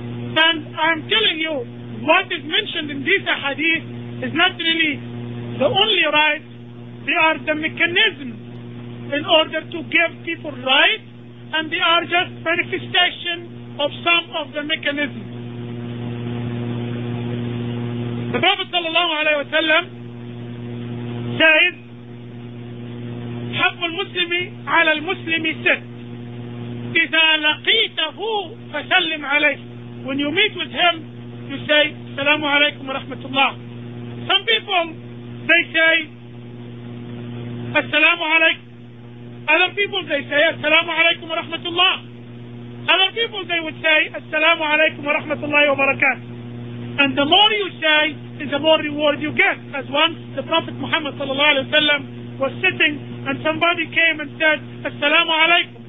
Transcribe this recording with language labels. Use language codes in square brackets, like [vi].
[en] And I'm telling you, what is mentioned in these hadith is not really the only right. They are the mechanism in order to give people rights, and they are just manifestation of some of the mechanisms. The Prophet sallallahu alaihi wasallam says, [ar] حَقُّ الْمُسْلِمِ عَلَى الْمُسْلِمِ سِتْ إِذَا لَقِيتَهُ فَسَلِّمْ عَلَيْهِ. [en] When you meet with him, you say, Assalamu alaikum wa rahmatullah. Some people, they say, Assalamu alaikum. Other people, they say, Assalamu alaikum wa rahmatullah. Other people, they would say, Assalamu alaikum wa rahmatullahi wa barakatuh. And the more you say, the more reward you get. As once the Prophet Muhammad sallallahu alayhi wa sallam was sitting and somebody came and said, Assalamu alaikum.